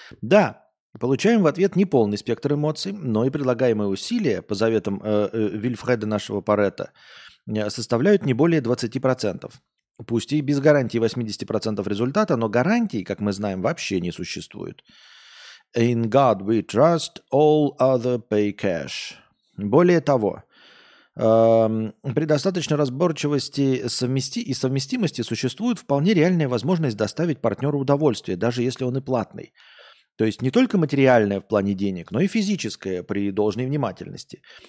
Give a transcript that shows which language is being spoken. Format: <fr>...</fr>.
<ru>Да, получаем в ответ не полный спектр эмоций, но и предлагаемые усилия, по заветам Вильфреда нашего Паретта, составляют не более 20%. Пусть и без гарантии 80% результата, но гарантий, как мы знаем, вообще не существует.</ru> <en>In God we trust, all other pay cash.</en> <ru>Более того, при достаточной разборчивости и совместимости существует вполне реальная возможность доставить партнеру удовольствие, даже если он и платный. То есть не только материальное в плане денег, но и физическое при должной внимательности.</ru>